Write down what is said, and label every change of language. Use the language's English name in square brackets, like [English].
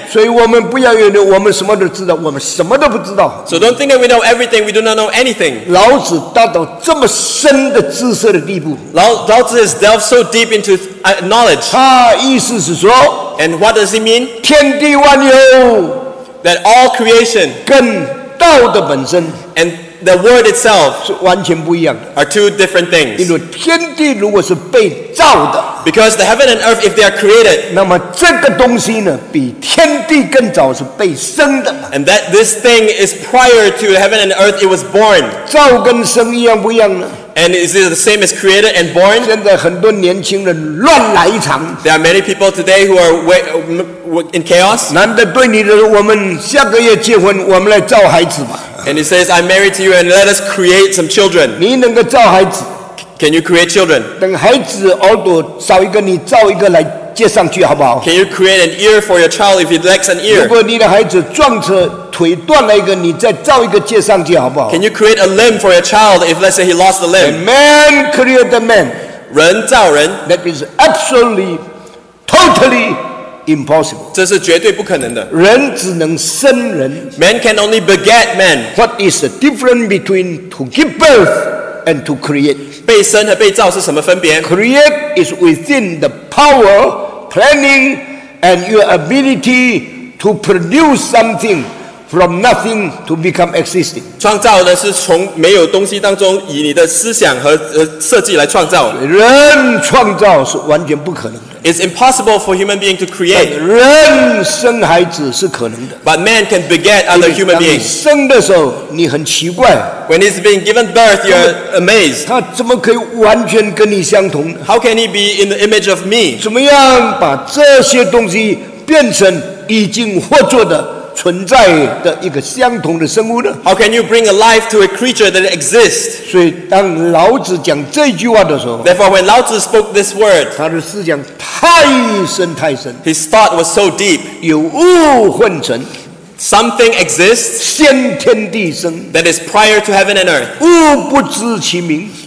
[Chinese] 所以我们不要以为我们什么都知道，我们什么都不知道。 [English] So don't think that we know everything, we do not know anything. [Chinese] 老子达到这么深的知识的地步。 [English] 老子 has delved so deep into knowledge. [Chinese] 他意思是说。 [English] And what does he mean? [Chinese] 天地万有。 [English] That all creation [Chinese] 跟道的本身 [English] and the word itself [Chinese] 是完全不一样的 [English] are two different things. [Chinese] 因为天地如果是被造的 [English] because the heaven and earth if they are created, [Chinese] 那么这个东西呢比天地更早是被生的 [English] and that this thing is prior to heaven and earth, it was born. [Chinese] 造跟生一样不一样呢 [English] and is it the same as created and born? [Chinese] 现在很多年轻人乱来一场 [English] there are many people today who are in chaos. [Chinese] 男的对你的，我们下个月结婚，我们来造孩子吧。 [English] And he says, I'm married to you, and let us create some children. [Chinese] 你能够造孩子 [English] ？Can you create children? [Chinese] 等孩子耳朵少一个，你造一个来接上去，好不好 [English] ？Can you create an ear for your child if he lacks an ear? [Chinese] 如果你的孩子撞车腿断了一个，你再造一个接上去，好不好 [English] ？Can you create a limb for your child if, let's say, he lost a limb? A man created the man. [Chinese] 人造人 [English] ，that is absolutely, totally. Impossible. [Chinese] 这是绝对不可能的。人只能生人。 [English] Man can only beget man. What is the difference between to give birth and to create? [Chinese] 被生和被造是什么分别 [English] ？Create is within the power, planning, and your ability to produce something from nothing to become existing. [Chinese] 创造呢是从没有东西当中以你的思想和设计来创造。人创造是完全不可能的。 [English] It's impossible for human being to create. [Chinese] 人生孩子是可能的。 [English] But man can beget other human beings. [Chinese] 当你生的时候，你很奇怪。 [English] When he's being given birth, you're amazed. [Chinese] 他怎么可以完全跟你相同 [English] ？How can he be in the image of me? [Chinese] 怎么样把这些东西变成已经活作的存在的一个相同的生物呢？ [English] How can you bring a life to a creature that exists? [Chinese] 所以当老子讲这句话的时候， [English] Therefore when Lao Tzu spoke this word, [Chinese] 他的思想太深太深， [English] His thought was so deep, [Chinese] 有物混成。 [English] Something exists [Chinese] 先天地生 [English] that is prior to heaven and earth. [Chinese] 物不知其名